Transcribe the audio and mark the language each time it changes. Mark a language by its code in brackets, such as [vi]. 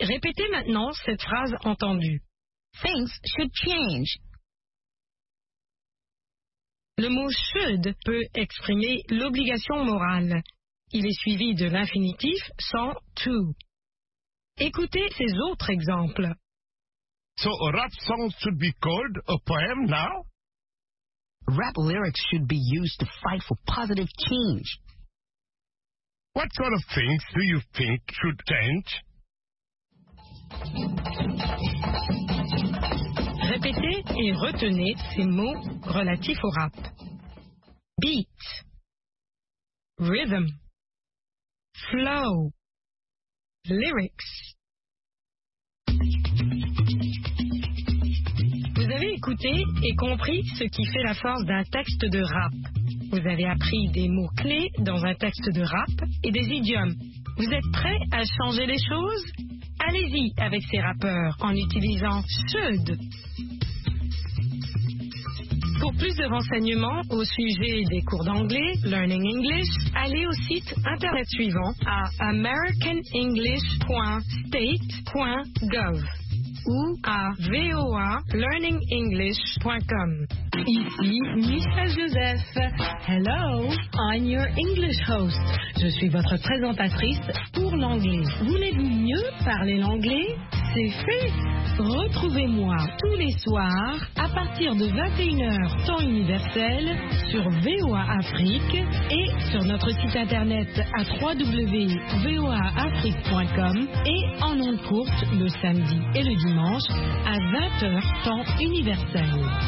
[fr] Répétez maintenant cette phrase entendue. [en] Things should change. [fr] Le mot « should » peut exprimer l'obligation morale. Il est suivi de l'infinitif sans « to ». Écoutez ces autres exemples. [en] So a rap song should be called a poem now? Rap lyrics should be used to fight for positive change. What sort of things do you think should change? [fr] Répétez et retenez ces mots relatifs au rap. [en] Beat, rhythm, flow, lyrics. [fr] Vous avez écouté et compris ce qui fait la force d'un texte de rap. Vous avez appris des mots clés dans un texte de rap et des idiomes. Vous êtes prêt à changer les choses? Allez-y avec ces rappeurs en utilisant should. Pour plus de renseignements au sujet des cours d'anglais, Learning English, allez au site internet suivant à americanenglish.state.gov. ou à voalearningenglish.com. Ici Michel Joseph. [en] Hello, I'm your English host. [fr] Je suis votre présentatrice pour l'anglais. Voulez-vous mieux parler l'anglais? C'est fait! Retrouvez-moi tous les soirs à partir de 21h temps universel sur VOA Afrique et sur notre site internet à www.voaafrique.com et en ondes courtes le samedi et le dimanche à 20h temps universel.